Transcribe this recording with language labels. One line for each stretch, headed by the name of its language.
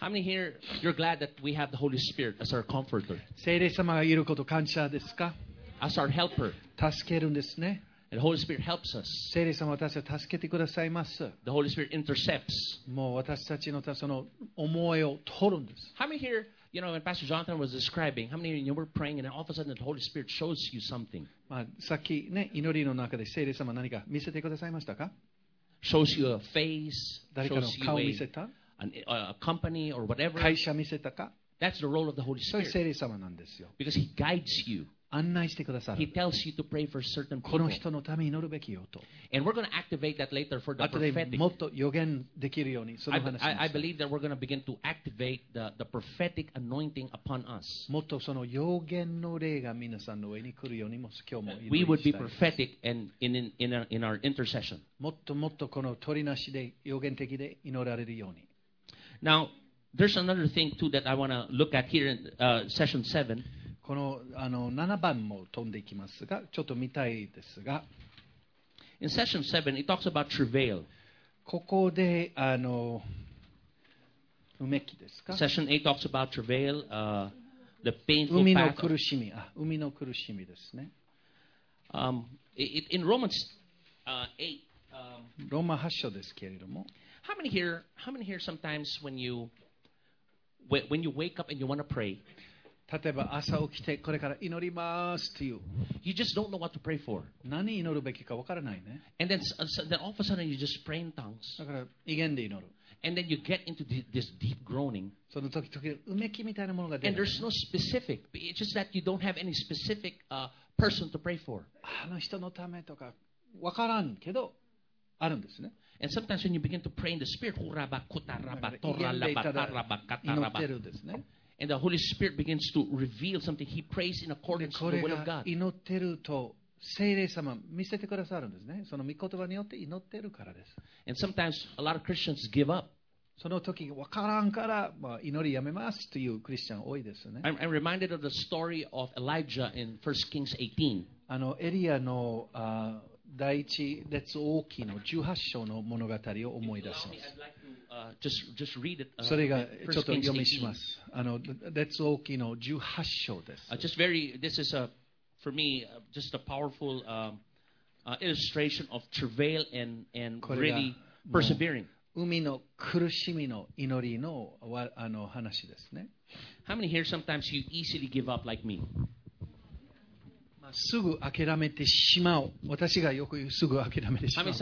English: How many here, you're glad that we have the Holy Spirit as our comforter?
Japanese: 聖霊様がいること感謝ですか?
English: As our helper.
Japanese: 助けるんですね。
English: And Holy Spirit helps us.
Japanese: 聖霊様は私を助けてくださいます。
English: The Holy Spirit intercepts.
Japanese: もう私たちのその思いを取るんです。
English: How many here, you know, when Pastor Jonathan was describing, how many of you were praying and all of a sudden the Holy Spirit shows you something?
Japanese: まあ、さっきね、祈りの中で聖霊様は何か見せてくださいましたか?
English: Shows you a face,
Japanese: 誰かの顔を見せた?
English: A company or whatever.
Japanese: 会社見せたか?
English: That's the role of the Holy Spirit.
Japanese: それ聖霊様なんですよ。
English: Because he guides you.
Japanese: 案内してくださる。
English: He tells you to pray for certain people.
Japanese: この人のために祈るべきよと。
English: And we're going to activate that later for the prophetic.
Japanese: もっと予言できるようにその話します。
English: I believe that we're going to begin to activate the prophetic anointing upon us.
Japanese: もっとその予言の霊が皆さんの上に来るようにも今日も祈りしたい。
English: We would be prophetic and in our intercession.
Japanese: もっともっとこの取りなしで予言的で祈られるように。
English: Now, there's another thing too that I want to look at here in session 7.
Japanese: この、7番も飛んでいきますが、ちょっと見たいですが。
English: In session 7, it talks about travail.
Japanese: ここで、うめきですか?
English: Session 8 talks about travail, the painful path.
Japanese: 海の苦しみ、海の苦しみですね。
English: In Romans 8,
Japanese: ローマ8章ですけれども。
English: How many here sometimes when you wake up and you want to pray?
Japanese: 例えば朝起きてこれから祈りますという。
English: You just don't know what to pray for.
Japanese: 何祈るべきかわからないね。
English: And then all of a sudden you just pray in tongues.
Japanese: だから異言で祈る。
English: And then you get into this deep groaning.
Japanese: その時々うめきみたいなものが出る。
English: And there's no specific. It's just that you don't have any specific person to pray for.
Japanese: あの人のためとかわからんけどあるんですね。
English: And sometimes when you begin to pray in the spirit, ほらばこたらばとららばたらばかたらば。
Japanese: 祈ってるんですね。
English: And the Holy Spirit begins to reveal something. He prays in accordance with the will of God.
Japanese: これが祈ってると聖霊様見せてくださるんですね。その御言葉によって祈っているからです。
English: And sometimes a lot of Christians give up.
Japanese: その時分からんから、まあ、祈りやめますというクリスチャン多いですね。
English: I'm reminded of the story of Elijah in 1 Kings 18.
Japanese: あのエリアの第一列王記の18章の物語を思い出します。
English: Just read it,
Japanese: それがちょっと読みします。あの列王記の18章です。
English: This is a, for me, just a powerful illustration of travail and really persevering.
Japanese: 海の苦しみの祈りの、あの話ですね。
English: How many here sometimes you easily give up like me?
Japanese: すぐ諦めてしまう。私がよく言うすぐ諦めてしまうタイプ。